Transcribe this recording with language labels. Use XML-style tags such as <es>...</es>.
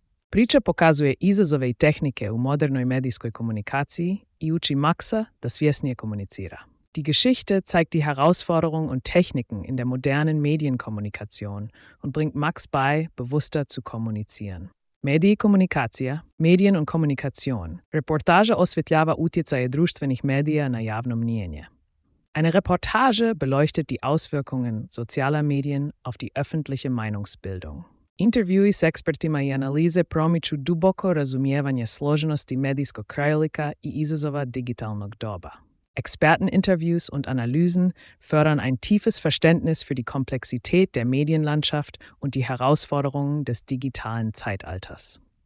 <hr>Priča pokazuje izazove i tehnike u modernoj medijskoj komunikaciji i uči Maxa da svjesnije komunicira.</hr> <de>Die Geschichte zeigt die Herausforderungen und Techniken in der modernen Medienkommunikation und bringt Max bei, bewusster zu kommunizieren. Medijekomunikacija, medijen und Kommunikation.</de> <hr>Reportaža osvjetljava utjecaje društvenih medija na javno mnijenje.</hr> <de>Eine Reportage beleuchtet die Auswirkungen sozialer Medien auf die öffentliche Meinungsbildung.</de> <hr>Intervjui s ekspertima i analize promiču duboko razumijevanje složenosti medijskog krajolika i izazova digitalnog doba.</hr> <de>Experteninterviews und Analysen fördern ein tiefes Verständnis für die Komplexität der Medienlandschaft und die Herausforderungen des digitalen Zeitalters.</de>